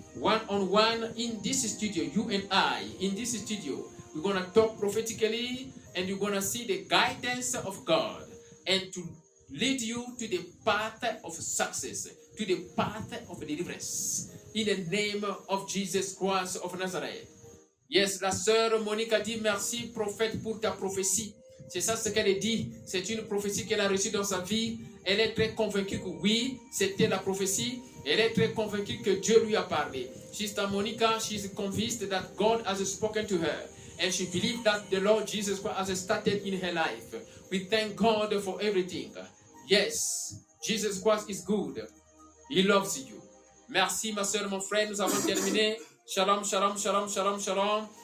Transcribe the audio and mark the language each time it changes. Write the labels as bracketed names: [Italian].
[English] One-on-one in this studio. You and I in this studio. We're going to talk prophetically and you're going to see the guidance of God and to lead you to the path of success, to the path of deliverance. In the name of Jesus Christ of Nazareth. [French] Yes, la sœur Monica dit merci prophète pour ta prophétie. C'est ça ce qu'elle dit. C'est une prophétie qu'elle a reçue dans sa vie. Elle est très convaincue que oui, c'était la prophétie. Elle est très convaincue que Dieu lui a parlé. [English] Sister Monica, she's convinced that God has spoken to her. And she believes that the Lord Jesus Christ has started in her life. We thank God for everything. Yes, Jesus Christ is good. He loves you. [French] Merci, ma soeur, mon frère. Nous avons terminé. Shalom, shalom, shalom, shalom, shalom.